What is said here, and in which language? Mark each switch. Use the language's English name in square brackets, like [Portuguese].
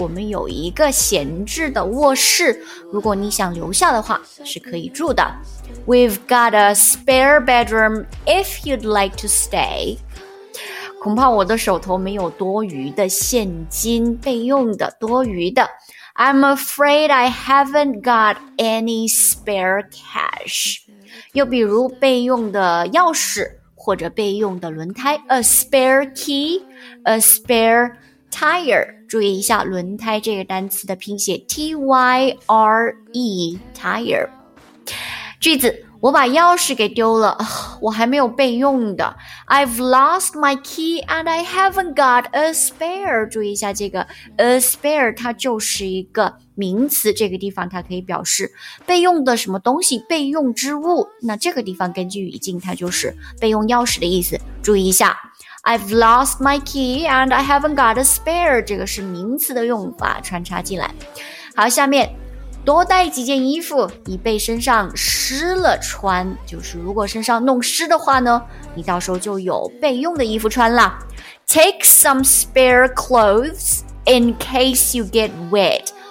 [Chinese] 我们有一个闲置的卧室，如果你想留下的话，是可以住的。 [English] We've got a spare bedroom if you'd like to stay. [Chinese] 恐怕我的手头没有多余的现金，备用的，多余的。 [English] I'm afraid I haven't got any spare cash. [Chinese] 又比如备用的钥匙或者备用的轮胎， [English] A spare key, a spare tire。 [Chinese] 注意一下轮胎这个单词的拼写 T-Y-R-E, tire。句子，我把钥匙给丢了，我还没有备用的。 [English] I've lost my key and I haven't got a spare。 [Chinese] 注意一下这个 a spare， 它就是一个名词，这个地方它可以表示备用的什么东西，备用之物。那这个地方根据语境，它就是备用钥匙的意思。注意一下 [English] I've lost my key and I haven't got a spare， [Chinese] 这个是名词的用法，穿插进来。好，下面多带几件衣服以备身上湿了穿，就是如果身上弄湿的话呢，你到时候就有备用的衣服穿了。 [English] Take some spare clothes in case you get wet.